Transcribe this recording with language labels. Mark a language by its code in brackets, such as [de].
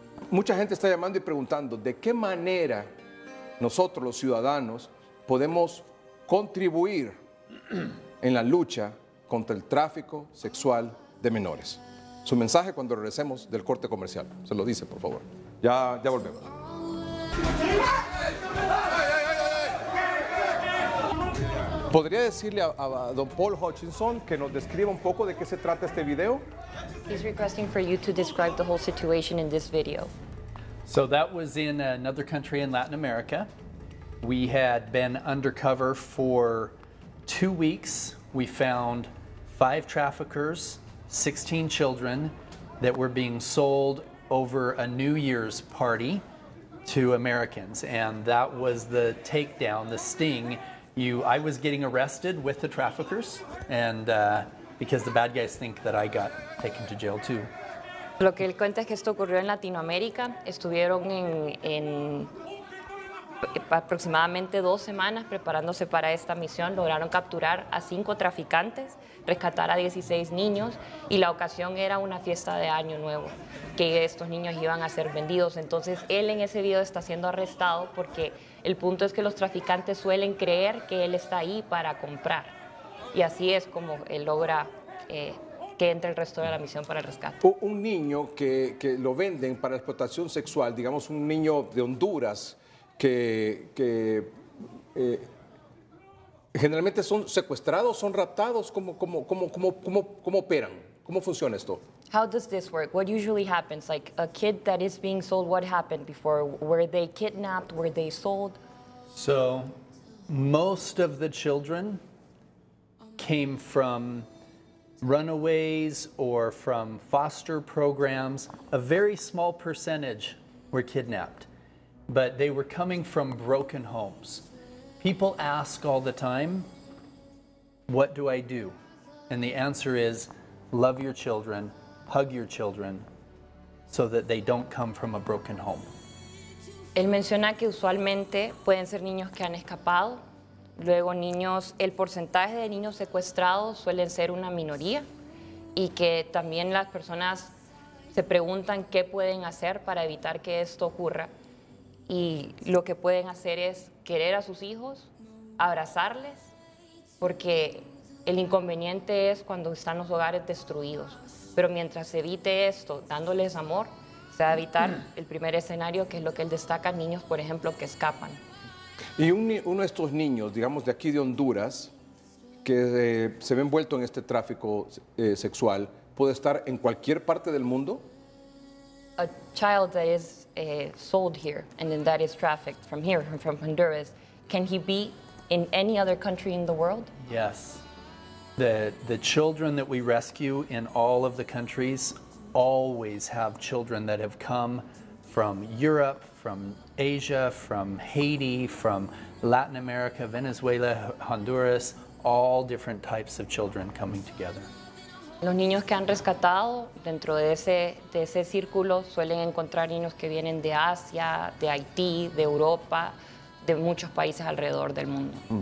[es] mucha gente está llamando y preguntando, ¿de qué manera nosotros los ciudadanos podemos contribuir en la lucha contra el tráfico sexual de menores? Su mensaje cuando regresemos del corte comercial. Se lo dice, por favor. Ya volvemos. ¿Podría decirle a don Paul Hutchinson que nos describa un poco de qué se trata este video? [en] He's requesting for you to describe the whole situation in this video. So that was in another country in Latin America. We had been undercover for 2 weeks. We found 5 traffickers, 16 children that were being sold over a New Year's party to Americans. And that was the takedown, the sting. I was getting arrested with the traffickers, and because the bad guys think that I got taken to jail too. [es] Lo que él cuenta es que esto ocurrió en Latinoamérica. Estuvieron en aproximadamente 2 semanas preparándose para esta misión. Lograron capturar a 5 traficantes, rescatar a 16 niños, y la ocasión era una fiesta de Año Nuevo, que estos niños iban a ser vendidos. Entonces, él en ese video está siendo arrestado porque el punto es que los traficantes suelen creer que él está ahí para comprar. Y así es como él logra que entre el resto de la misión para el rescate. Un niño que lo venden para explotación sexual, digamos un niño de Honduras, generalmente son secuestrados, son raptados, ¿cómo operan? ¿Cómo funciona esto? [en] How does this work? What usually happens? Like a kid that is being sold, what happened before? Were they kidnapped? Were they sold? So most of the children came from runaways or from foster programs. A very small percentage were kidnapped, but they were coming from broken homes. People ask all the time, what do I do? And the answer is, love your children, hug your children, so that they don't come from a broken home. [es] Él menciona que usualmente pueden ser niños que han escapado, luego niños, el porcentaje de niños secuestrados suelen ser una minoría, y que también las personas se preguntan qué pueden hacer para evitar que esto ocurra, y lo que pueden hacer es querer a sus hijos, abrazarles, porque el inconveniente es cuando están los hogares destruidos. Pero mientras se evite esto, dándoles amor, se va a evitar el primer escenario, que es lo que él destaca, niños, por ejemplo, que escapan. Y uno de estos niños, digamos, de aquí de Honduras, que se ve envuelto en este tráfico sexual, ¿puede estar en cualquier parte del mundo? [en] A child that is sold here and then that is trafficked from here, from Honduras, can he be in any other country in the world? Yes. The children that we rescue in all of the countries always have children that have come from Europe, from Asia, from Haiti, from Latin America, Venezuela, Honduras, all different types of children coming together. [es] Los niños que han rescatado dentro de ese círculo suelen encontrar niños que vienen de Asia, de Haití, de Europa, de muchos países alrededor del mundo.